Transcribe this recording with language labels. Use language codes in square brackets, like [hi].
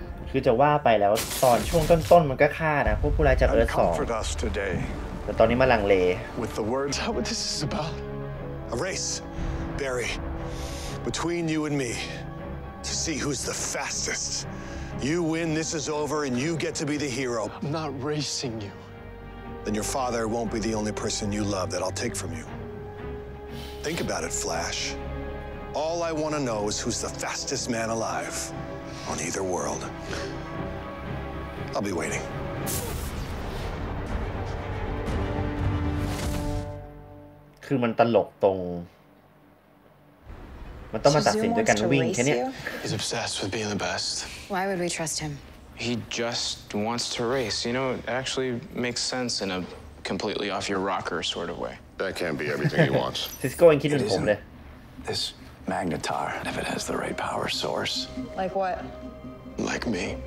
[th] คือจะว่าไปแล้วตอนช่วงต้นๆมันก็ฆ่านะพวกผู้ร้ายจากเอิร์ธ2แต่ตอนนี้มาลังเล [en] With the words how this is about a raceBarry, between you and me, to see who's the fastest. You win, this is over, and you get to be the hero. I'm not racing you. Then your father won't be the only person you love that I'll take from you. Think about it, Flash. All I want to know is who's the fastest man alive on either world. I'll be waiting. [th] คือมันตลกตรงมันต้องมาตัดสินด้วยกันวิ่งแค่เนี้ย [en] He's obsessed with being the best. Why would we trust him? He just wants to race. You know, it actually makes sense in a completely off your rocker sort of way. That can't be everything he wants. He's going to kill him. This magnetar, if it has the right power source. Like what? Like me.